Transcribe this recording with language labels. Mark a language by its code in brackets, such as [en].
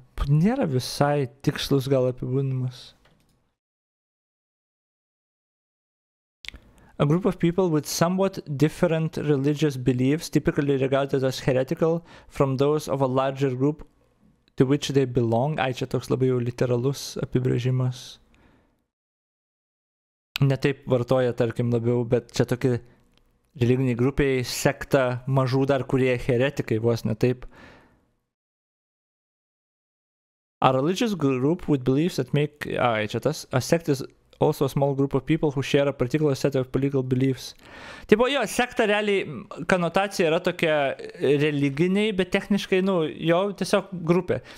[lt] Nėra visai tikslus gal apibūdinimas. [en] A group of people with somewhat different religious beliefs, typically regarded as heretical, from those of a larger group to which they belong. [lt] Ai, čia toks labai jau literalus apibrėžimas. Ne taip vartoja, tarkim, labiau, bet čia tokie religiniai grupiai sekta mažų dar, kurie heretikai vos ne taip. [en] A religious group with beliefs that make... [lt] Ai, čia tas. [en] A sect is... Also a small group of people who share a particular set of political beliefs. [lt] Taip, jo, sekta realiai, konotacija yra tokia religiniai, bet techniškai, nu, jo, tiesiog grupė.